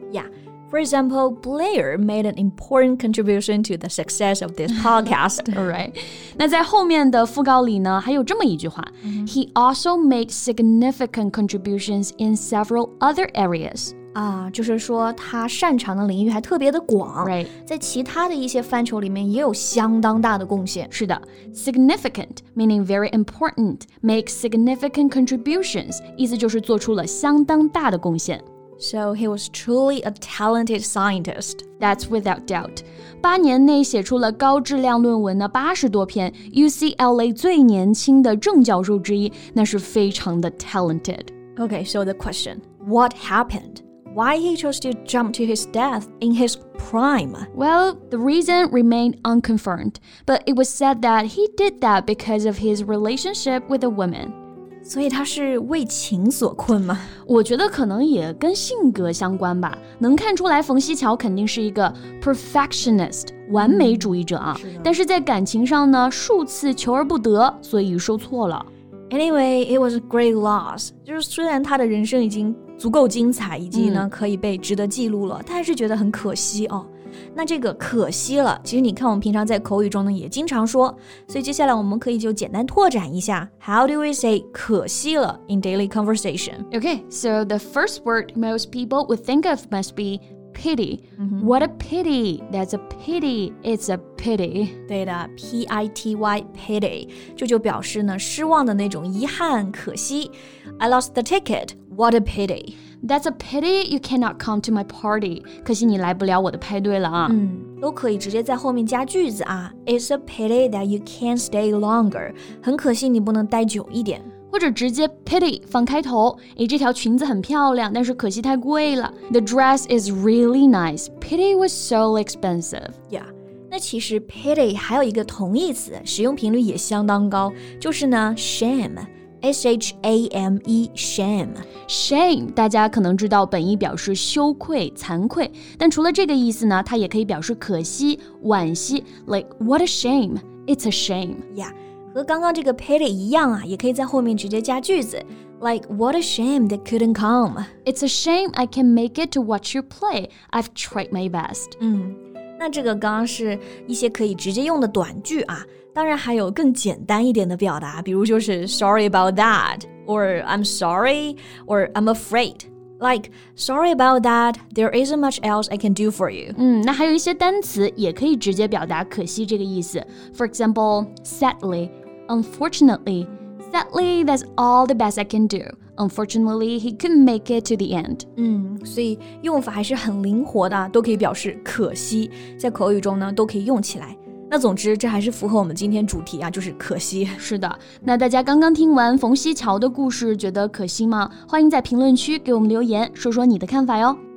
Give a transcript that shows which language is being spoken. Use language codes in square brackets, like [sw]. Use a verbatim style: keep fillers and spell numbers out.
[en] Yeah, for example, Blair made an important contribution to the success of this podcast. All right. [zh] 那在后面的讣告里呢，还有这么一句话、 mm-hmm. [en] He also made significant contributions in several other areas. [zh] 啊，就是说他擅长的领域还特别的广、 [en] right. [zh] 在其他的一些范畴里面也有相当大的贡献。是的 [en] significant meaning very important, make significant contributions [zh] 意思就是做出了相当大的贡献。 [en] So he was truly a talented scientist. That's without doubt. [zh] 八年内写出了高质量论文的八十多篇 U C L A 最年轻的正教授之一，那是非常的 talented. [en] Okay, so the question, what happened? Why he chose to jump to his death in his prime? Well, the reason remained unconfirmed, but it was said that he did that because of his relationship with a woman. [zh] 所以他是为情所困吗？我觉得可能也跟性格相关吧。能看出来冯西樵肯定是一个 perfectionist, 完美主义者啊。是的。但是在感情上呢，数次求而不得，所以受挫了。 [en] Anyway, it was a great loss. [zh] 就是虽然他的人生已经足够精彩，以及呢、嗯、可以被值得记录了，但是觉得很可惜哦。那这个可惜了，其实你看我们平常在口语中呢也经常说，所以接下来我们可以就简单拓展一下 [en] How do we say [zh] 可惜了 [en] in daily conversation? Okay, so the first word most people would think of must be pity. Mm-hmm. What a pity. That's a pity. It's a pity. [zh] 对的 [en] P I T Y, pity. [zh] 这就表示呢失望的那种遗憾可惜。 [en] I lost the ticket. What a pity. That's a pity you cannot come to my party. [zh] 可惜你来不了我的派对了啊。嗯，都可以直接在后面加句子啊。 [en] It's a pity that you can't stay longer. [zh] 很可惜你不能待久一点。或者直接 pity 放开头，诶，这条裙子很漂亮，但是可惜太贵了。 [en] The dress is really nice. Pity was so expensive. Yeah. [zh] 那其实 pity 还有一个同义词，使用频率也相当高，就是呢 shame。 [en] S H A M E, shame. [zh] Shame, 大家可能知道本意表示羞愧、惭愧，但除了这个意思呢，它也可以表示可惜、惋惜 [en] like what a shame, it's a shame. [zh] Yeah. 和刚刚这个 pity 一样啊，也可以在后面直接加句子 [en] like what a shame that couldn't come. It's a shame I can make it to watch you play. I've tried my best. [zh] 嗯，那这个刚刚是一些可以直接用的短句啊。当然还有更简单一点的表达，比如就是 [en] sorry about that, or I'm sorry, or I'm afraid. Like, sorry about that, there isn't much else I can do for you. [zh] 嗯，那还有一些单词也可以直接表达可惜这个意思。 [en] For example, sadly, unfortunately, sadly, that's all the best I can do. Unfortunately, he couldn't make it to the end. [zh] 嗯，所以用法还是很灵活的，都可以表示可惜，在口语中呢，都可以用起来。那总之这还是符合我们今天主题啊，就是可惜。是的，那大家刚刚听完冯锡桥的故事，觉得可惜吗？欢迎在评论区给我们留言，说说你的看法哟。